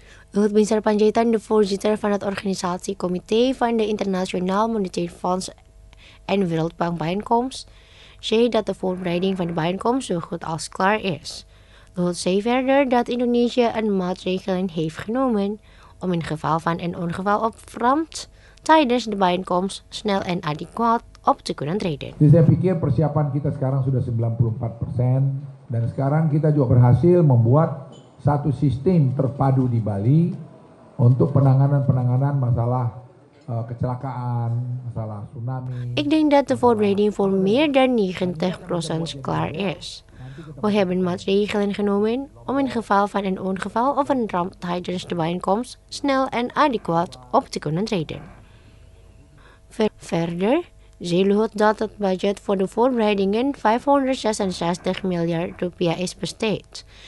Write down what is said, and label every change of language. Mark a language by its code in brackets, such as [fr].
[nl] Luhut Binsar Panjaitan, de voorzitter van het organisatiecomité van de Internationaal Monetair Fonds en Wereldbank bijeenkomst, zei dat de voorbereiding van de bijeenkomst zo goed als klaar is. Luhut zei verder dat Indonesië een maatregelen heeft genomen om in geval van een ongeval op front tijdens de bijeenkomst snel en adequaat op te kunnen treden. [id] Dus saya pikir persiapan kita sekarang sudah 94% dan sekarang kita juga berhasil membuat satu sistem terpadu di Bali untuk penanganan-penanganan masalah kecelakaan, masalah tsunami. [nl] Ik denk dat de voorbereiding voor meer dan 90% klaar is. We hebben maatregelen genomen om in geval van een ongeval of een ramp tijdens de bijeenkomst snel en adequaat op te kunnen treden. Verder zei Luhut dat het budget voor de voorbereidingen 566 miljard rupiah is besteed.